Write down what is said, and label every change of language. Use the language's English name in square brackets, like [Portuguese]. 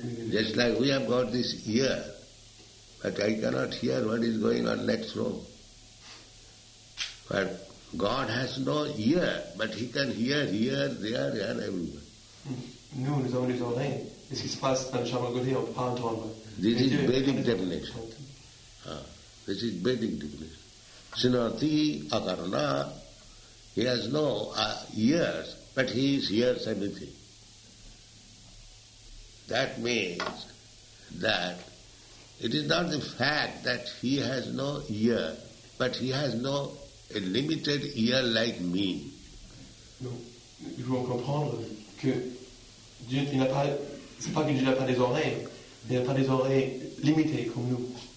[English] Just like we have got this ear, but I cannot hear what is going on next room. But God has no ear, but he can hear here, there, and everywhere. [French] Nous, nous avons les oreilles. Et ce qui se passe dans le chambre à côté, on ne peut pas entendre. [English] This is Vedic divination. This is Vedic divination. Srinathi Akarna, he has no ears, but he hears everything. That means that it is not the fact that he has no ear, but he has no a limited ear like me. [French] Nous devons comprendre que Dieu, il n'a pas, c'est pas que Dieu n'a pas des oreilles, mais il n'a pas des oreilles limitées comme nous.